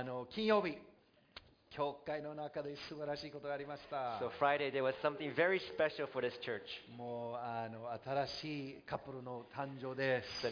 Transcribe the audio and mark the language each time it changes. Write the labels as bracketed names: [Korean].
[Japanese] 金曜日、教会の中で素晴らしいことがありました。 [English] So Friday there was something very special for this church. [Japanese] もう新しいカップルの誕生です。